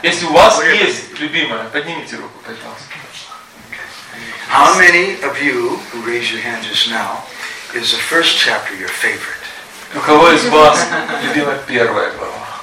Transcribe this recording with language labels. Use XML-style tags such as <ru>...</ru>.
<ru>Если у вас есть любимая, поднимите руку, пожалуйста.</ru> <en>How many of you who raise your hand just now is the first chapter your favorite?</en> <ru>У кого из вас любимая первая глава?</ru>